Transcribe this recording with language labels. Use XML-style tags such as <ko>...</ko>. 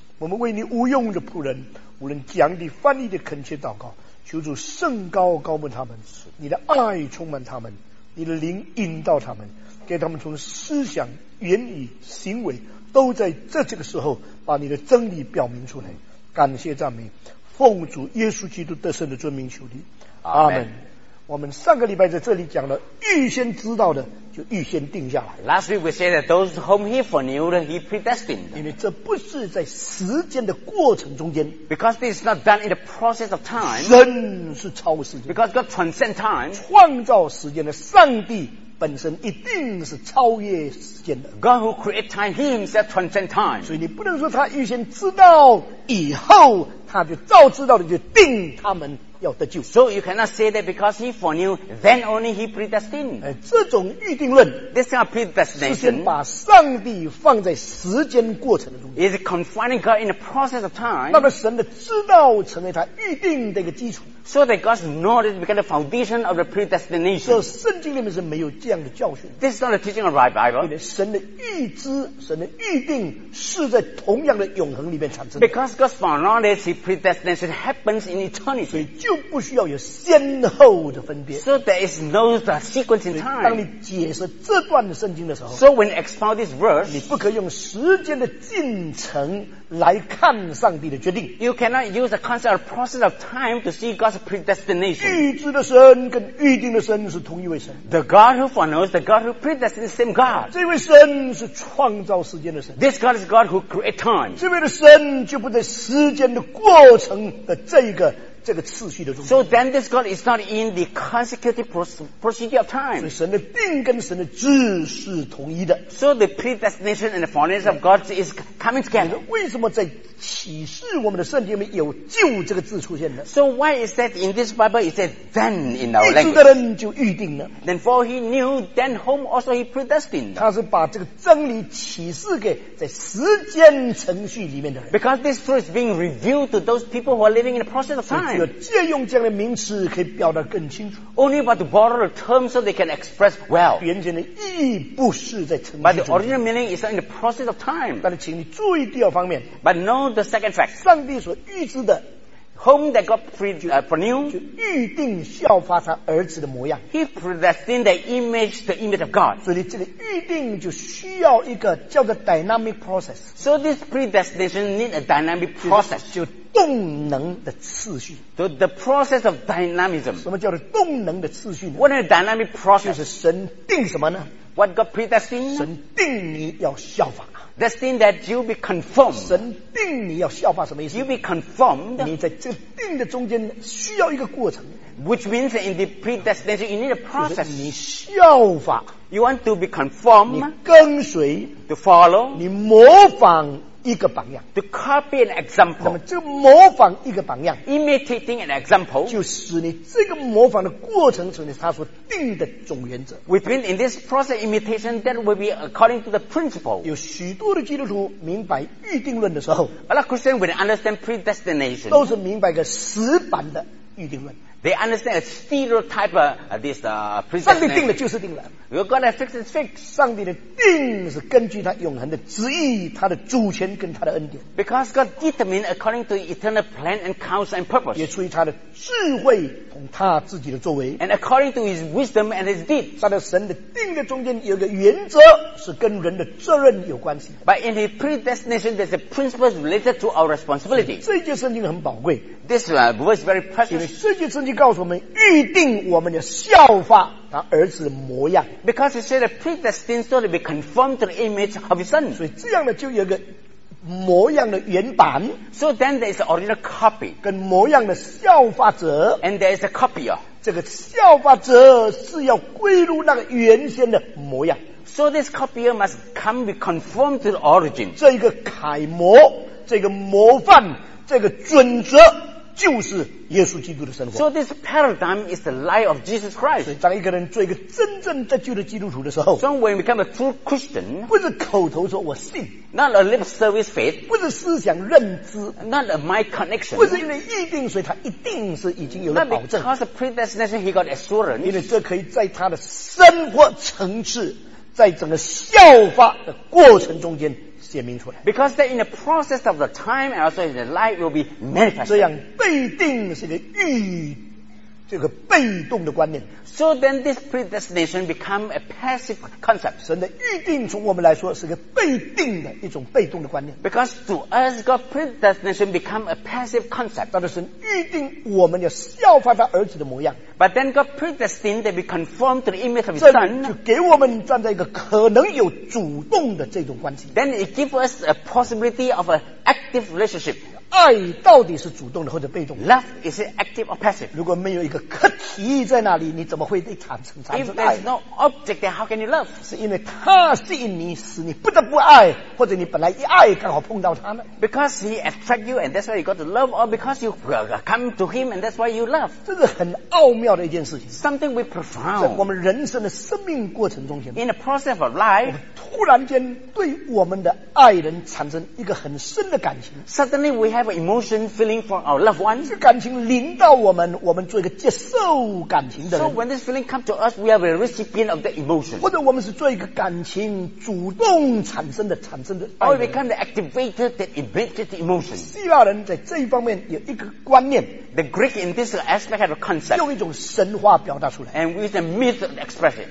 <zh>我们为你无用的仆人，无论讲理翻译的恳切祷告，求主圣高高牧他们，你的爱充满他们，你的灵引导他们，给他们从思想言语行为都在这个时候把你的真理表明出来。感谢赞美，奉主耶稣基督得胜的尊名求你，阿门。我们上个礼拜在这里讲了，预先知道的就预先定下来。</zh> <en>Last week we said that those whom he foreknew that he predestined.</en> <zh>因为这不是在时间的过程中间。</zh> <en>Because this is not done in the process of time.</en> <zh>神是超时间。</zh> <en>Because God transcends time.</en> <zh>创造时间的上帝本身一定是超越时间的。</zh> <en>God who created time, he himself transcends time.</en> <zh>所以你不能说他预先知道以后他就照知道的就定他们要得救。</zh> <en>So you cannot say that because he foreknew, then only he predestined.</en> <zh>这种预定论</zh> <en>This kind of predestination</en> <zh>是先把上帝放在时间过程的中间。</zh> <en>Is confining God in the process of time.</en> <zh>那么神的知道成为他预定的一个基础。</zh> <en>So that God's knowledge became the foundation of the predestination.</en> <zh>这圣经里面是没有这样的教训。</zh> <en>This is not the teaching of the Bible.</en> <zh>因为神的预知，神的预定是在同样的永恒里面产生的。</zh> <en>Because God's foreknowledge, his predestination happens in eternity.</en> <zh>所以就不需要有先后的分别。</zh> <en>So there is no sequence in time.</en> <zh>当你解释这段圣经的时候，</zh> <en>So when you expound this verse,</en> <zh>你不可以用时间的进程来看上帝的决定。</zh> <en>You cannot use the concept of the process of time to see God's predestination.</en> <zh>预知的神跟预定的神是同一位神。</zh> <en>The God who foreknows, the God who predestines is the same God.</en> <zh>这位神是创造时间的神。</zh> <en>This God is God who created time.</en> <zh>这位的神就不在时间的过程的这个次序的中。</zh> <en>So then this God is not in the consecutive procedure of time.</en> <zh>所以神的定跟神的旨是同一的。</zh> <en>So the predestination and the foreknowledge of God is coming together.</en> <zh>为什么在启示我们的圣经里面有就这个字出现呢？</zh> <en>So why is that in this Bible it said then in our language?</en> <zh>预知的人就预定了。</zh> <en>Then for he knew then whom also he predestined.</en> <zh>他是把这个真理启示给在时间程序里面的人。</zh> <en>Because this truth is being revealed to those people who are living in the process of time.</en> <zh>只有借用这样的名词可以表达更清楚。</zh> <en>Only by the borrowed term so they can express well.</en> <zh>原先的意义不是在程序</zh> <en>But the original meaning is in the process of time.</en> <zh>但是请你注意第二方面。</zh> <en>But know the second fact.</en> <zh>上帝所预知的。</zh> <en>Whom that God foreknew.</en> <zh>就预定效法他儿子的模样。</zh> <en>He predestined the image of God.</en> <zh>所以这个预定就需要一个叫做</zh> <en>dynamic process. So this predestination needs a dynamic process.</en> <zh>就动能的次序。</zh> <en>So the process of dynamism.</en> <zh>什么叫做动能的次序呢</zh> <en>？What is the dynamic process?</en> <zh>就是神定什么呢</zh> <en>？What God predestined?</en> <zh>神定你要效法。</zh> <en>Destined that you be conformed.</en> <zh>神定你要效法什么意思</zh> <en>？You be conformed.</en> <zh>你在这个定的中间需要一个过程。</zh> <en>Which means in the predestination you need a process.</en> <zh>就是你效法。</zh> <en>You want to be conformed.</en> <zh>你跟随。</zh> <en>To follow.</en> <zh>你模仿。一个榜样</zh> <en>to copy an example</en> <zh>那么这模仿一个榜样</zh> <en>imitating an example</en> <zh>就使你这个模仿的过程成为他所定的总原则</zh> <en>which means in this process imitation that will be according to the principle</en> <zh>有许多的基督徒明白预定论的时候</zh> <en>a lot of Christians will understand predestination</en> <zh>都是明白个死板的预定论</zh> <en>They understand a stereotype of this predestination.</en> <zh>上帝定了就是定了。</zh> <en>You're gonna fix it, fix.</en> <zh>上帝的定是根据他永恒的旨意、他的主权跟他的恩典。</zh> <en>Because God determined according to eternal plan and counsel and purpose.</en> <zh>也出于他的智慧同他自己的作为。</zh> <en>And according to his wisdom and his deed.</en> <zh>在神的定的中间有个原则是跟人的责任有关系。</zh> <en>But in his predestination, there's a principle related to our responsibility.</en> <zh>这节圣经很宝贵。</zh> <en>This verse is very precious.</en> <zh>就告诉我们预定我们要效法他儿子的模样</zh> <en>because he said predestined so to be conformed to the image of his son</en> <zh>所以这样呢就有一个模样的原版</zh> <en>so then there is an original copy</en> <zh>跟模样的效法者</zh> <en>and there is a copy</en> <zh>这个效法者是要归入那个原先的模样</zh> <en>so this copier must come be conformed to the origin</en> <zh>这一个楷模这个模范这个准则就是耶稣基督的生活。</zh> <en>So this paradigm is the life of Jesus Christ.</en> <zh>所以当一个人做一个真正得救的基督徒的时候</zh> <en>，So when we become a true Christian，</en> <zh>不是口头说我信</zh> <en>，Not a lip service faith，</en> <zh>不是思想认知</zh> <en>，Not a mind connection，</en> <zh>不是因为预定，所以他一定是已经有了保证。</zh> <en>Not because of predestination he got assurance，</en> <zh>因为这可以在他的生活层次，在整个效法的过程中间。显明出来</zh> <en>because that in the process of the time and also in the light will be manifested</en> <zh>这样被定是一个预这个被动的观念</zh> <en>so then this predestination become a passive concept</en> <zh>神的预定从我们来说是个被定的一种被动的观念</zh> <en>because to us God's predestination become a passive concept</en> <zh>但是神预定我们要效法他儿子的模样</zh> <en>but then God predestined to be conformed to the image of his son 这</en> <zh>就给我们站在一个可能有主动的这种关系</zh> <en>then it gives us a possibility of an active relationship</en> <zh>爱到底是主动的或者被动的</zh> <en>Love is it active or passive</en> <zh>如果没有一个课题在那里你怎么会产生爱</zh> <en>If there's no object then how can you love</en> <zh>是因为他吸引你使你不得不爱或者你本来一爱刚好碰到他呢</zh> <en>Because he attracts you and that's why you got to love or because you come to him and that's why you love</en> <zh>这是很奥妙的一件事情</zh> <en>Something we profound</en> <zh>在我们人生的生命过程中</zh> <en>In the process of life</en> <zh>突然间对我们的爱人产生一个很深的感情</zh> <en>Suddenly we have an emotion feeling for our loved ones</en> <zh>这感情临到我们我们做一个接受感情的人</zh> <en>so when this feeling comes to us we are a recipient of the emotion</en> <zh>或者我们是做一个感情主动产生的</zh> <en>or become the activator that invented the emotion</en> <zh>希腊人在这一方面有一个观念</zh> <en>the Greek in this aspect have a concept</en> <zh>用一种神话表达出来</zh> <en>and with a myth of expression</en>